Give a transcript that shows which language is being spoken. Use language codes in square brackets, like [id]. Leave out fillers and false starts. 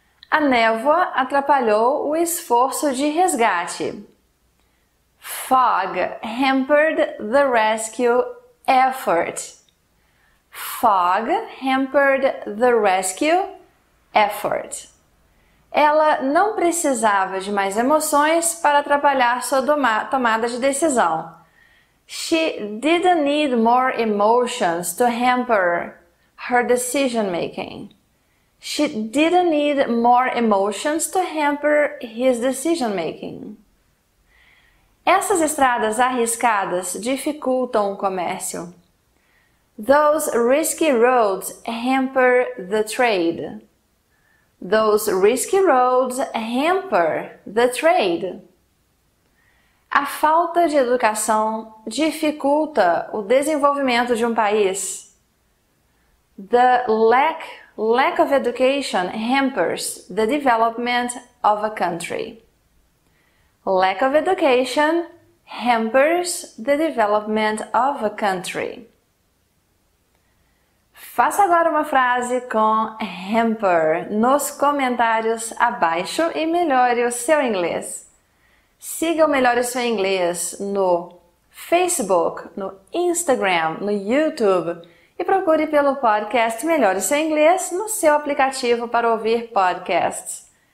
[pt] A névoa atrapalhou o esforço de resgate. [en] Fog hampered the rescue effort. Fog hampered the rescue effort. [pt] Ela não precisava de mais emoções para atrapalhar sua tomada de decisão. [en] She didn't need more emotions to hamper her decision making. She didn't need more emotions to hamper his decision making. [pt] Essas estradas arriscadas dificultam o comércio. [en] Those risky roads hamper the trade. Those risky roads hamper the trade. [pt] A falta de educação dificulta o desenvolvimento de um país. [en] The lack of education hampers the development of a country. Lack of education hampers the development of a country. [pt] Faça agora uma frase com hamper nos comentários abaixo e melhore o seu inglês. Siga o Melhore o Seu Inglês no Facebook, no Instagram, no YouTube e procure pelo podcast Melhore o Seu Inglês no seu aplicativo para ouvir podcasts.